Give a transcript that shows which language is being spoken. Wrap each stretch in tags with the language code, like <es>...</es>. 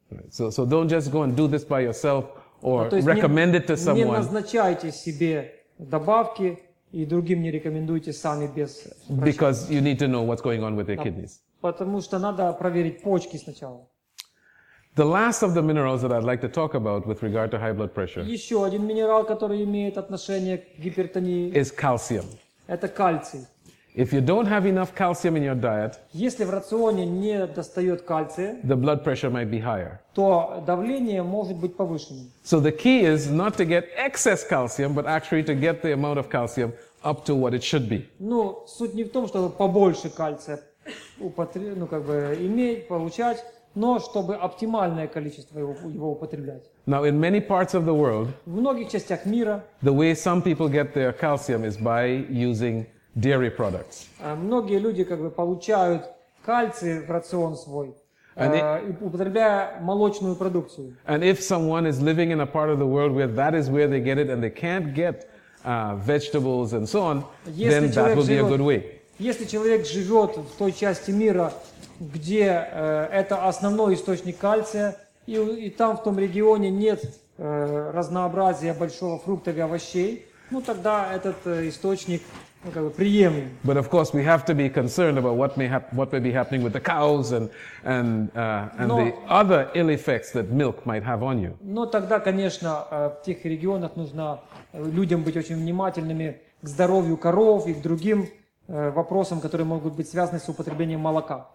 <en>So don't just go and do this by yourself or recommend it to someone.</en> <ru>Не назначайте себе добавки и другим не рекомендуйте сами без прощения.</ru> <en>Because you need to know what's going on with your kidneys.</en> <ru>Потому что надо проверить почки сначала.</ru> <en>The last of the minerals that I'd like to talk about with regard to high blood pressure.</en> <ru>Еще один минерал, который имеет отношение к гипертонии.</ru> <en>Is calcium.</en> <ru>Это кальций.</ru> <en>If you don't have enough calcium in your diet.</en> <ru>Если в рационе не достает кальция.</ru> <en>The blood pressure might be higher.</en> <ru>То давление может быть повышенным.</ru> <en>So the key is not to get excess calcium, but actually to get the amount of calcium up to what it should be.</en> <ru>Ну, суть не в том, чтобы побольше кальция иметь, получать. Но чтобы оптимальное количество его употреблять.</ru> <en>Now in many parts of the world,</en> <ru>в многих частях мира,</ru> <en>the way some people get their calcium is by using dairy products.</en> <ru>Многие люди получают кальций в рацион свой, употребляя молочную продукцию.</ru> <en>And if someone is living in a part of the world where that is where they get it and they can't get vegetables and so on, then that will be a good way.</en> <ru>Если человек живет в той части мира, где это основной источник кальция, и там в том регионе нет разнообразия большого фруктов и овощей, ну тогда этот источник приемлем.</ru> <en>But of course we have to be concerned about what may be happening with the cows and the other ill effects that milk might have on you.</en> <ru>Но тогда, конечно, в тех регионах нужно людям быть очень внимательными к здоровью коров и к другим вопросам, которые могут быть связаны с употреблением молока.</ru>